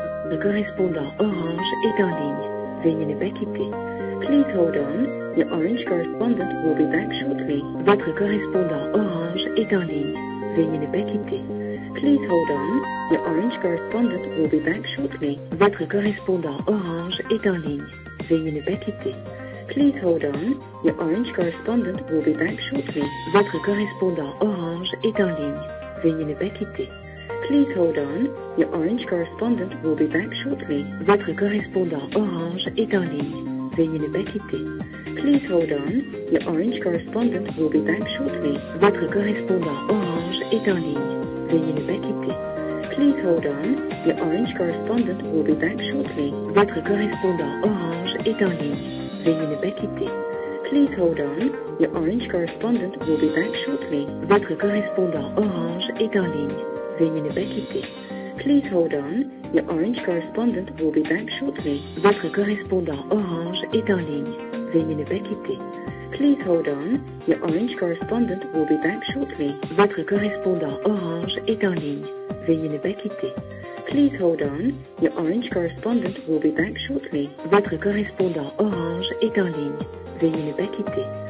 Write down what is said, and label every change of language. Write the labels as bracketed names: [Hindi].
[French] Le correspondant Orange est en ligne. Veuillez ne pas quitter. [English] Please hold on. The Orange correspondent will be back shortly. [French] Votre correspondant Orange est en ligne. Veuillez ne pas quitter. [English] Please hold on. The Orange correspondent will be back shortly. [French] Votre correspondant Orange est en ligne. Veuillez ne pas quitter. [English] Please hold on. The Orange correspondent will be back shortly. [French] Votre correspondant Orange est en ligne. Veuillez ne pas quitter. [English] Please hold on, your Orange correspondent will be back shortly. [French] Votre correspondant Orange est en ligne. Veuillez ne pas quitter. [English] Please hold on, your Orange correspondent will be back shortly. [French] Votre correspondant Orange est en ligne. Veuillez ne pas quitter. [English] Please hold on, your Orange correspondent will be back shortly. [French] Votre correspondant Orange est en ligne. Veuillez ne pas quitter. [English] Please hold on, your Orange correspondent will be back shortly. [French] Votre correspondant Orange est en ligne. Veuillez ne pas quitter. [English] Please hold on. Your Orange correspondent will be back shortly. [French] Votre correspondant Orange est en ligne. Veuillez ne pas quitter. [English] Please hold on. Your Orange correspondent will be back shortly. [French] Votre correspondant Orange est en ligne. Veuillez ne pas quitter. [English] Please hold on. Your Orange correspondent will be back shortly. [French] Votre correspondant Orange est en ligne. Veuillez ne pas quitter.